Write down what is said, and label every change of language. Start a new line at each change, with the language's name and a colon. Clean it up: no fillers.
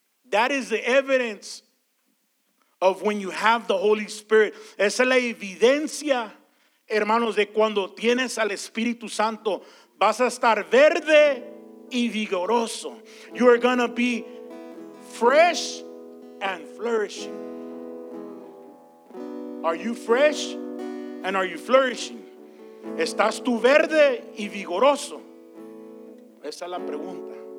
English: That is the evidence of when you have the Holy Spirit.
Spanish: Esa es la evidencia, hermanos, de cuando tienes al Espíritu Santo vas a estar verde y vigoroso.
English: You are going to be fresh and flourishing. Are you fresh and are you flourishing?
Spanish: ¿Estás tú verde y vigoroso? Esa es la pregunta.